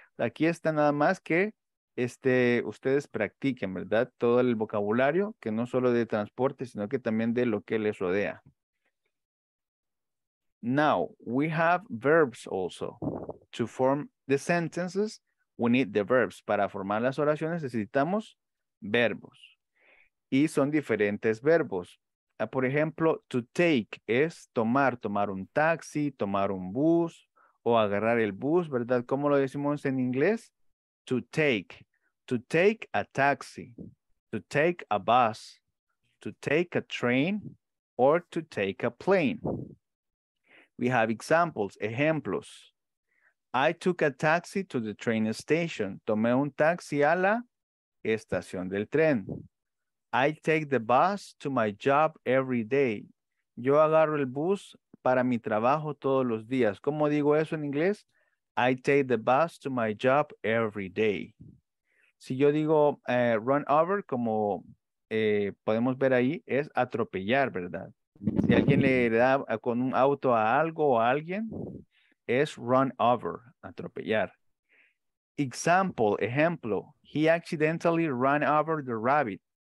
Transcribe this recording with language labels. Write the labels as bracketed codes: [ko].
[es] Aquí está nada más que ustedes practiquen, ¿verdad? Todo el vocabulario, que no solo de transporte, sino que también de lo que les rodea. [en] Now, we have verbs also. To form the sentences, we need the verbs. [es] Para formar las oraciones necesitamos verbos. Y son diferentes verbos. Por ejemplo, to take es tomar, tomar un taxi, tomar un bus, o agarrar el bus, ¿verdad? ¿Cómo lo decimos en inglés? [en] To take a taxi, to take a bus, to take a train, or to take a plane. We have examples, ejemplos. I took a taxi to the train station. [es] Tomé un taxi a la estación del tren. [en] I take the bus to my job every day. [es] Yo agarro el bus para mi trabajo todos los días. ¿Cómo digo eso en inglés? [en] I take the bus to my job every day. [es] Si yo digo run over, como podemos ver ahí, es atropellar, ¿verdad? Si alguien le da con un auto a algo o a alguien, es run over, atropellar. [en] Example, ejemplo. He accidentally ran over the rabbit.